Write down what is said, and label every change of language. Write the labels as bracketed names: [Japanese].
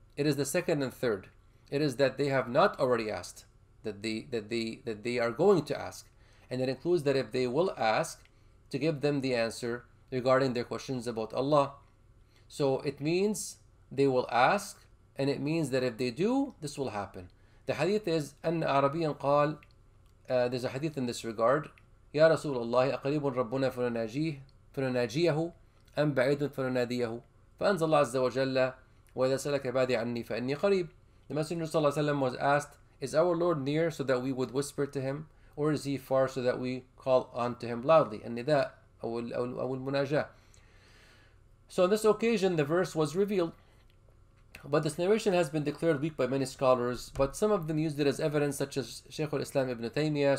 [English] It is the second and third. It is that they have not already asked, that they are going to ask. And it includes that if they will ask, to give them the answer regarding their questions about Allah. So it means they will ask, and it means that if they do, this will happen. [Arabic] The hadith is, أن عربيا قال, there's a hadith in this regard, يا رسول الله أقريب ربنا فنناجيه أم بعيد فنناديه. فأنزل الله عز وجل وإذا سألك عبادي عني فإني قريب. [English] The Messenger صلى الله عليه وسلم was asked, is our Lord near so that we would whisper to him, or is he far so that we call on to him loudly? [Arabic] النداء أو المناجاة. [English] So on this occasion the verse was revealed, but this narration has been declared weak by many scholars, but some of them used it as evidence, such as Shaykh al-Islam Ibn Taymiyyah.